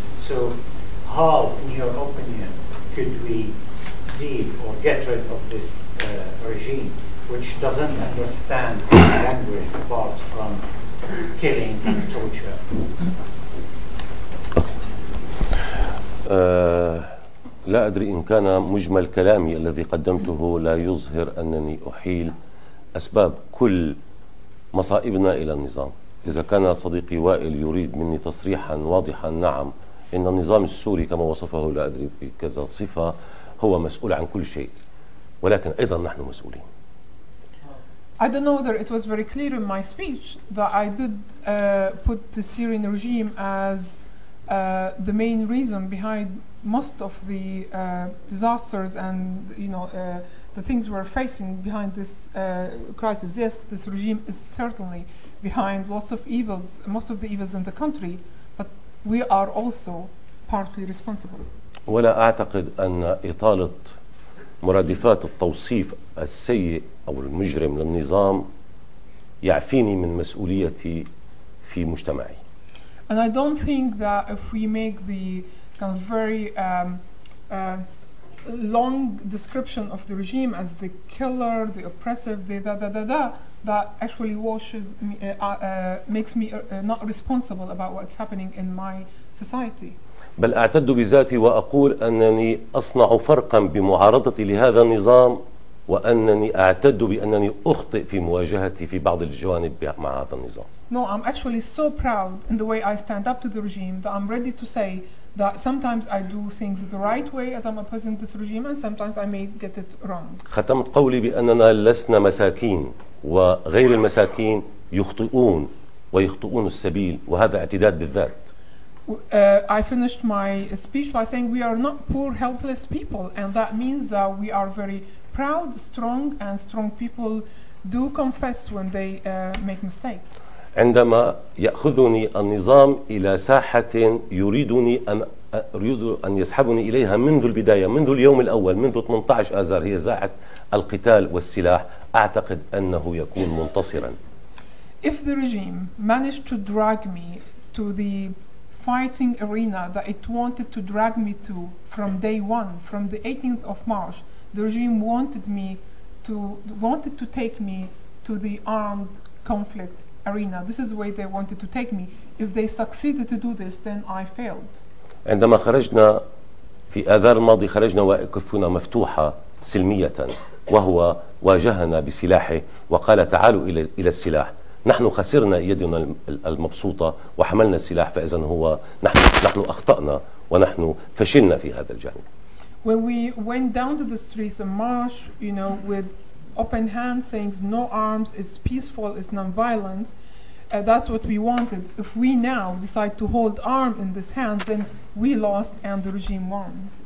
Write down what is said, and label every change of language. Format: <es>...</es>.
<en>So how, in your opinion, could we deal or get rid of this regime, which doesn't understand language apart from killing and torture?</en> <ar>لا أدري إن كان مجمل كلامي الذي قدمته لا يظهر أنني أحيل أسباب كل مصائبنا إلى النظام. إذا كان صديقي وائل يريد مني تصريحا واضحا، نعم، إن النظام السوري كما وصفه لا أدري بكذا صفة هو مسؤول عن كل شيء، ولكن أيضا نحن مسؤولين.</ar> <en>I don't know whether it was very clear in my speech that I did put the Syrian regime as the main reason behind most of the disasters and, you know, the things we're facing behind this crisis. Yes, this regime is certainly behind lots of evils, most of the evils in the country, but we are also partly responsible.</en> <ar>ولا أعتقد أن إطالة مرادفات التوصيف السيء أو المجرم للنظام يعفيني من مسؤوليتي في مجتمعي.</ar> <en>And I don't think that if we make the kind of very long description of the regime as the killer, the oppressive, the da-da-da-da, that actually washes me, makes me not responsible about what's happening in my society.</en> <ar>بل أعتد بذاتي وأقول أنني أصنع فرقاً بمعارضتي لهذا النظام وأنني أعتد بأنني أخطئ في مواجهتي في بعض الجوانب مع هذا النظام.</ar> <en>No, I'm actually so proud in the way I stand up to the regime that I'm ready to say that sometimes I do things the right way as I'm opposing this regime and sometimes I may get it wrong.</en> <ar>ختمت قولي بأننا لسنا مساكين وغير المساكين يخطئون ويخطئون السبيل وهذا اعتداد بالذات.</ar> <en>I finished my speech by saying we are not poor, helpless people, and that means that we are very proud, strong, and strong people do confess when they make mistakes.</en> <ar>عندما يأخذني النظام إلى ساحة يريدني أن يسحبني إليها منذ البداية، منذ اليوم الأول، منذ 18 آذار، هي ساحة القتال والسلاح، أعتقد أنه يكون منتصرا.</ar> <en>If the regime managed to drag me to the fighting arena that it wanted to drag me to from day one, from the 18th of March, the regime wanted to take me to the armed conflict arena. This is the way they wanted to take me. If they succeeded to do this, then I failed.</en> <ar>عندما خرجنا في آذار الماضي خرجنا وكفنا مفتوحة سلمية وهو واجهنا بسلاحه وقال تعالوا إلى السلاح. نحن خسرنا يدنا المبسوطة وحملنا السلاح فإذا هو نحن أخطأنا ونحن فشلنا في هذا الجانب.</ar> <en>When we went down to the streets and marched, you know, with open hands saying no arms, it's peaceful, it's non-violent, that's what we wanted. If we now decide to hold arm in this hand, then we lost and the regime won.</en>